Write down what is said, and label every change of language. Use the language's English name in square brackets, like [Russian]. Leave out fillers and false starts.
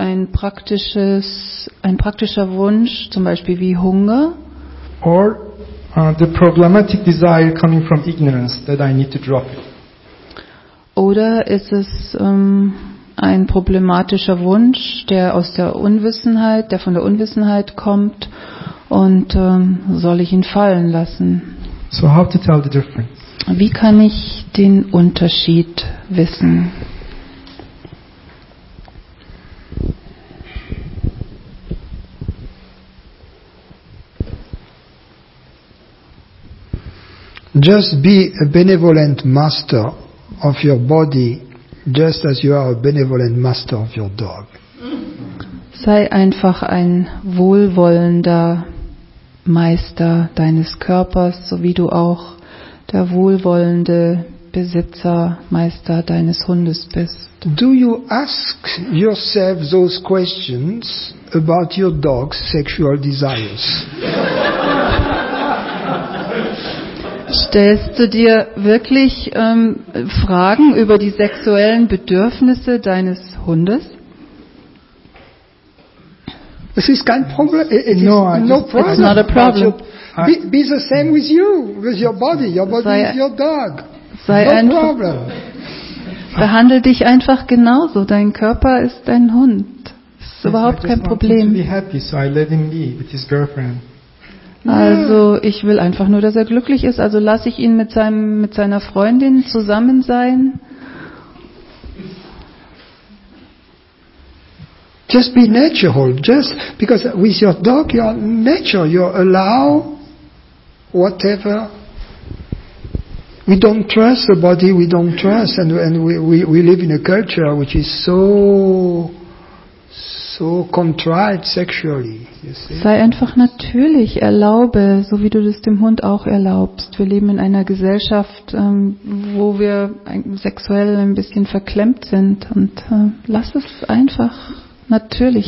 [German] Oder ob es ist wie ein praktischer Wunsch, zum Beispiel wie Hunger? [English] Or the problematic desire coming from ignorance that I need to drop it? [German] Oder ist es ein problematischer Wunsch, der aus der Unwissenheit, der von der Unwissenheit kommt? Und soll ich ihn fallen lassen? [English] So how to tell the difference? [German] Wie kann ich den Unterschied wissen? [English] Just be a benevolent master of your body, just as you are a benevolent master of your dog. [German] Sei einfach ein wohlwollender Meister deines Körpers, so wie du auch der wohlwollende Besitzer, Meister deines Hundes bist. [English] Do you ask yourself those questions about your dog's sexual desires? [German] Stellst du dir wirklich Fragen über die sexuellen Bedürfnisse deines Hundes? [English] This is kind of problem. It's not a problem. Be the same with you, with your body. Your body [German] sei, [English] is your dog. No problem. [German] Behandle dich einfach genauso. Dein Körper ist dein Hund. Es ist überhaupt kein Problem. [English] I just want him to be happy, so I let him be with his girlfriend. [German] Also, ich will einfach nur, dass er glücklich ist. Also lasse ich ihn mit seiner Freundin zusammen sein. [English] Just be natural. Just because with your dog, you are natural. You allow whatever. We don't trust the body. We don't trust, and we live in a culture which is so contrived sexually. [German] Sei einfach natürlich. Erlaube, so wie du das dem Hund auch erlaubst. Wir leben in einer Gesellschaft, wo wir sexuell ein bisschen verklemmt sind, und lass es einfach natürlich